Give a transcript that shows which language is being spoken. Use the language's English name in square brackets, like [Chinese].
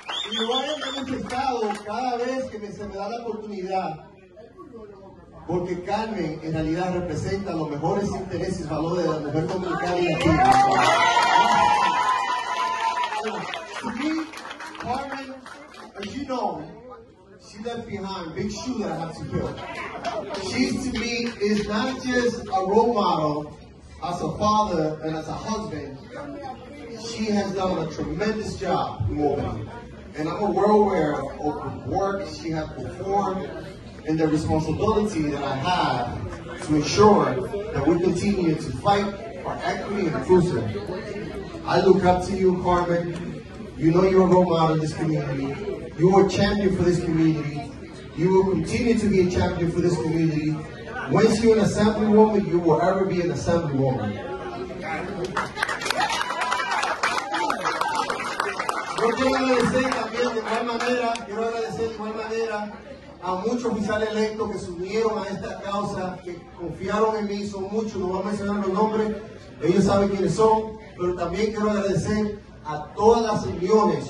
[Spanish] Y lo he manifestado cada vez que se me da la oportunidad. Porque Carmen en realidad representa los mejores intereses y valores de la mujer dominicana y latina. [English] To me, Carmen, as you know, she left behind big shoe that I have to fill. She, to me, is not just a role model as a father and as a husband. She has done a tremendous job, woman. And I'm well aware of the work she has performed and the responsibility that I have to ensure that we continue to fight for equity and inclusion. I look up to you, Carmen. You know you're a role model in this community. You are a champion for this community. You will continue to be a champion for this community. Once you're an assemblywoman, you will ever be an assemblywoman. [Spanish] Yo quiero agradecer también de igual manera, quiero agradecer de igual manera a muchos oficiales electos que se unieron a esta causa, que confiaron en mí, son muchos, no voy a mencionar los nombres, ellos saben quiénes son, pero también quiero agradecer a todas las uniones.